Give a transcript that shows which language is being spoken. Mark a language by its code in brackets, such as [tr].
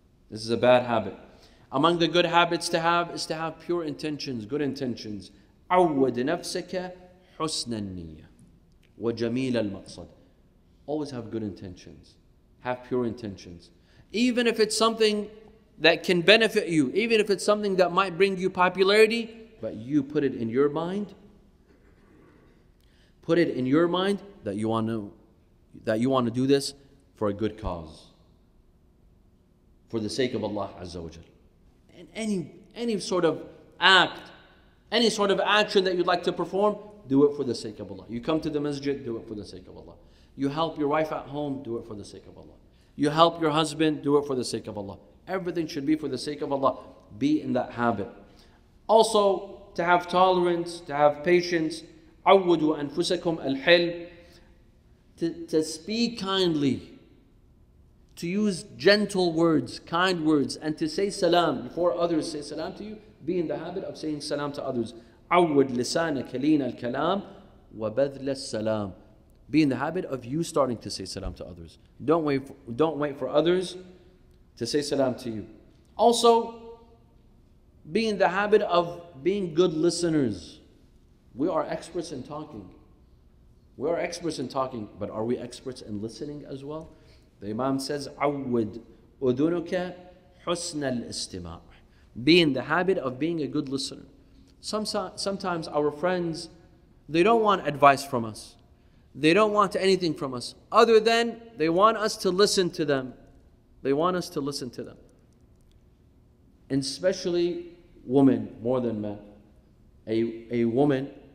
[en] This is a bad habit. Among the good habits to have is to have pure intentions, good intentions. [ar] عود نفسك حسن النية وجميل المقصد. [en] Always have good intentions. Have pure intentions. Even if it's something that can benefit you, even if it's something that might bring you popularity, but you put it in your mind, that you want to do this for a good cause, for the sake of Allah Azza wa Jal. And any sort of action that you'd like to perform, do it for the sake of Allah. You come to the masjid, do it for the sake of Allah. You help your wife at home, do it for the sake of Allah. You help your husband, do it for the sake of Allah. Everything should be for the sake of Allah. Be in that habit. Also, to have tolerance, to have patience. [ar] عودوا أنفسكم الحلم. [en] To speak kindly, to use gentle words, kind words, and to say salam before others say salam to you, be in the habit of saying salam to others. [ar] عود لسانك لين الكلام وبذل السلام. [en] Be in the habit of you starting to say salam to others. Don't wait for others to say salam to you. Also, be in the habit of being good listeners. We are experts in talking. We are experts in talking, but are we experts in listening as well? The Imam says, [ar] عود أذنك حسن الاستماع. [en] Be in the habit of being a good listener. Sometimes our friends, they don't want advice from us. They don't want anything from us other than they want us to listen to them. They want us to listen to them. And especially women more than men. A woman